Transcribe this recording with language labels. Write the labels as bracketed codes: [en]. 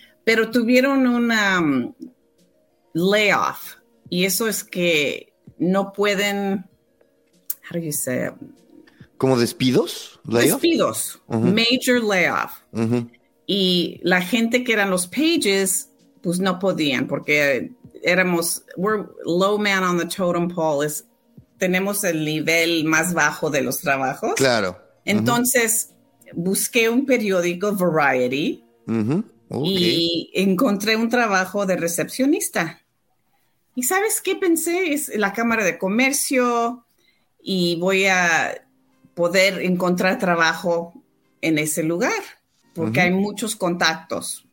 [es] Pero tuvieron un layoff. Y eso es que no pueden... [en] How do you say it? [es] ¿Como despidos? [en] ¿Layoff? [es] Despidos. [en] Uh-huh. Major layoff. [es] Uh-huh. Y la gente que eran los pages, pues no podían, porque éramos... [en] We're low man on the totem pole. [es] Tenemos el nivel más bajo de los trabajos. Claro. Entonces, uh-huh, busqué un periódico, Variety, uh-huh, okay, y encontré un trabajo de recepcionista. ¿Y sabes qué pensé? Es la Cámara de Comercio y voy a poder encontrar trabajo en ese lugar porque, uh-huh, hay muchos contactos.